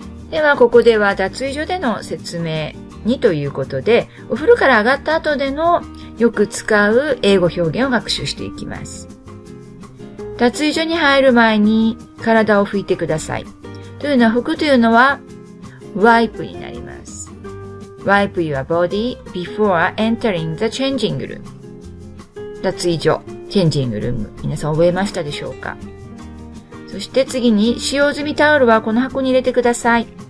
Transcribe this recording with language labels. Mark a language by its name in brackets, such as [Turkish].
[Japanese] ではここでは脱衣所での説明にということで、お風呂から上がった後でのよく使う英語表現を学習していきます。脱衣所に入る前に体を拭いてください。というのは拭くというのはワイプになります。 [English] Wipe your body before entering the changing room. [Japanese] 脱衣所、チェンジングルーム。皆さん覚えましたでしょうか？そして次に使用済みタオルはこの箱に入れてください。